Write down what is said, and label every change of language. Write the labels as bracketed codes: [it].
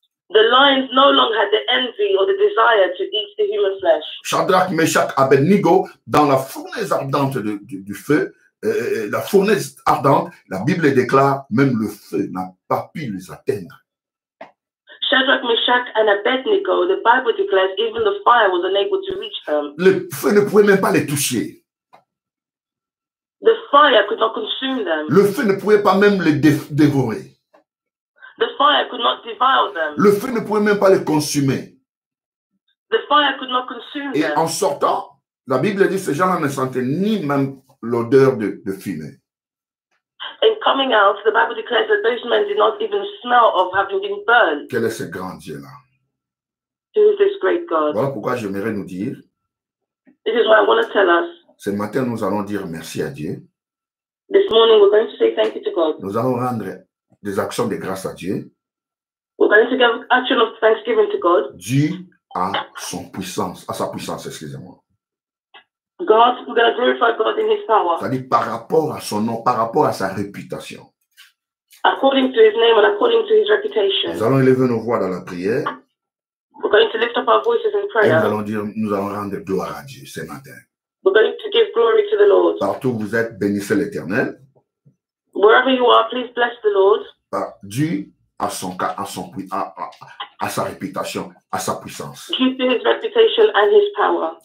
[en] The lions no longer had the envy or the desire to eat the human flesh. [fr] Shadrach, Meshach, Abednego, dans la fournaise ardente du feu, la fournaise ardente, la Bible déclare même le feu n'a pas pu les atteindre. [en] Shadrach, Meshach, and Abednego, the Bible declares, even the fire was unable to reach them. [fr] Le feu ne pouvait même pas les toucher. [en] The fire could not consume them. [fr] Le feu ne pouvait pas même les dévorer. [en] The fire could not devour them. [fr] Le feu ne pouvait même pas les consumer. [en] The fire could not consume [fr] Et [en] them. [fr] Et en sortant, la Bible dit que ces gens-là ne sentaient ni même l'odeur de fumée. [en] In coming out, the Bible declares that those men did not even smell of having been burned. [fr] Quel est ce grand Dieu-là? [en] Who is this great God? [fr] Voilà pourquoi j'aimerais nous dire. [en] This is what I want to tell us. [fr] Ce matin, nous allons dire merci à Dieu. [en] This morning, we're going to say thank you to God. [fr] Nous allons rendre des actions de grâce à Dieu. [en] We're going to give action of thanksgiving to God. [fr] Dû à son puissance, à sa puissance, excusez-moi. [en] God, we're going to glorify God in his power. [fr] C'est-à-dire par rapport à son nom, par rapport à sa réputation. [en] According to his name and according to his reputation. [fr] Nous allons élever nos voix dans la prière. [en] We're going to lift up our voices in prayer. [fr] Et nous allons dire, nous allons rendre gloire à Dieu ce matin. [en] We're going to give glory to the Lord. [fr] Partout où vous êtes, bénissez l'Éternel. [en] Wherever you are, please bless the Lord. [fr] Par Dieu à son cas, à son à sa réputation, à sa puissance. [en] Due to his reputation and his power.